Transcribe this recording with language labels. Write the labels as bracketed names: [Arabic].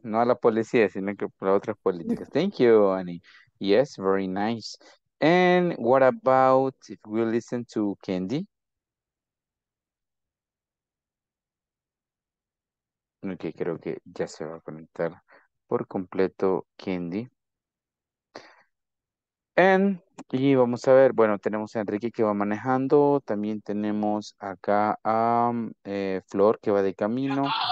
[Spanish] No a la policía, sino que para otras políticas. [English] Thank you, Annie. Yes, very nice. And what about if we listen to Candy? [Spanish] Ok, creo que ya se va a conectar por completo Candy. Y vamos a ver, bueno, tenemos a Enrique que va manejando. También tenemos acá a Flor que va de camino.